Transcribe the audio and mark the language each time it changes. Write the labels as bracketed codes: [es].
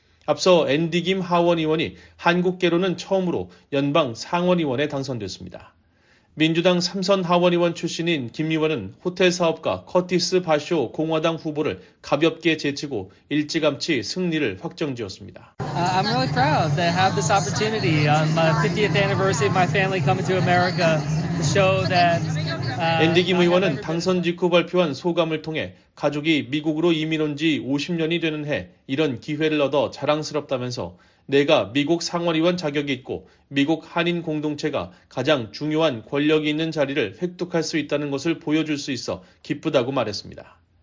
[ko] 앞서 앤디 김 하원 의원이 한국계로는 처음으로 연방 상원의원에 당선됐습니다. 민주당 3선 하원 의원 출신인 김 의원은 호텔 사업가 커티스 바쇼 공화당 후보를 가볍게 제치고 일찌감치 승리를 확정지었습니다. [en] I'm really proud to have this opportunity on my 50th anniversary of my family coming to America to show that [ko] 앤디 김 의원은 당선 직후 발표한 소감을 통해 가족이 미국으로 이민 온 지 50년이 되는 해 이런 기회를 얻어 자랑스럽다면서 내가 미국 상원의원 자격이 있고 미국 한인 공동체가 가장 중요한 권력이 있는 자리를 획득할 수 있다는 것을 보여줄 수 있어 기쁘다고 말했습니다.